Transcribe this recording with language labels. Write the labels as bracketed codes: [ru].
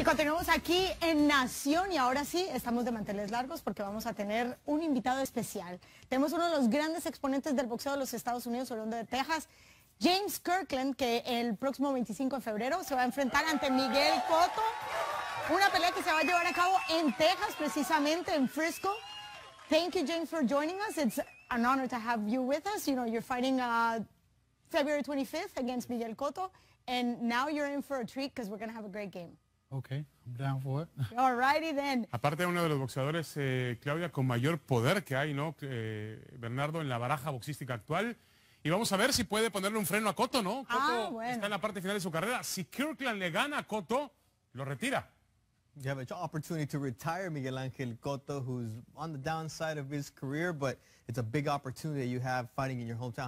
[es] tenemos aquí en Nación y ahora sí estamos de manteles largos porque vamos a tener un invitado especial. Tenemos uno de los grandes exponentes del boxeo de los Estados Unidos, oriundo de Texas, James Kirkland, que el próximo 25 de febrero se va a enfrentar ante Miguel Cotto. Una pelea que se va a llevar a cabo en Texas, precisamente en Frisco. [en] Thank you, James, for joining us. It's an honor to have you with us. You know, you're fighting February 25th against Miguel Cotto. And now you're in for a treat because we're going to have a great game. Okay, I'm down for it. All righty then. [es] Aparte de uno de los boxeadores, Claudia, con mayor poder que hay, ¿no? Bernardo, en la baraja boxística actual. Y vamos a ver si puede ponerle un freno a Cotto, ¿no? Cotto está en la parte final de su carrera. Si Kirkland le gana a Cotto, lo retira. [en] You have an opportunity to retire Miguel Ángel Cotto, who's on the downside of his career, but it's a big opportunity that you have fighting in your hometown.